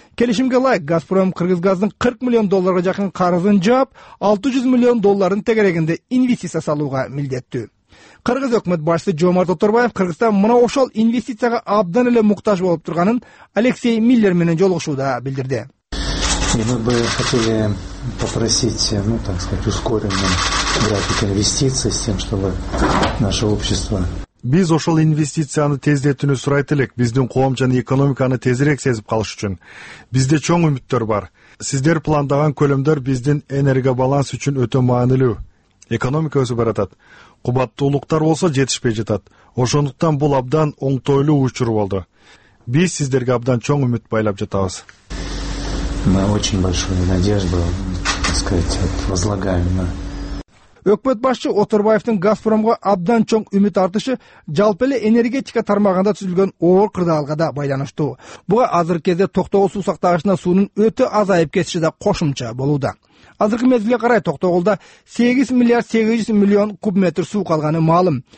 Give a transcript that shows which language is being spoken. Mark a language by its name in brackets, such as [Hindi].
[Kyrgyz] Келишимге ылайык Газпром Кыргызгаздын 40 миллион долларга жакын карызын жаап, 600 миллион долларын тегерегинде инвестиция салууга милдеттүү. Кыргыз өкмөт башчысы Жомарт Оторбаев Кыргызстан мына ошол инвестицияга абдан эле муктаж болуп турганын Алексей Миллер менен жолугушууда билдирди. [Russian] И мы бы хотели попросить, ну, так сказать, ускоренный график инвестиций с тем, чтобы наше общество... [Kyrgyz] Биз ошол инвестицияны тездетүүнү сурайт элек, биздин коом жана экономиканы тезирээк сезип калыш үчүн. Бизде чоң үмүттөр бар. Сиздер пландаган көлөмдөр биздин энергия баланс үчүн өтө маанилүү. Экономика өсүп баратат. Кубаттуулуктар болсо жетишпей жатат. Ошондуктан бул абдан оңтойлуу учур болду. Биз сиздерге абдан чоң үмүт байлап жатабыз. [Russian] Мы очень большую надежду, так сказать, вот, возлагаем на... [Kyrgyz] Өкмөт башчы Оторбаевдин Газпромго абдан чоң үмүт артышы жалпы эле энергетика тармагында түзүлгөн оор кырдаалга да байланыштуу. Буга азыркы кезде токтогул суу сактагычына суунун өтө азайып кетиши да кошумча болууда. Азыркы мезгилге карай токтоголда 8 миллиард 800 миллион куб метр суу калганы маалым.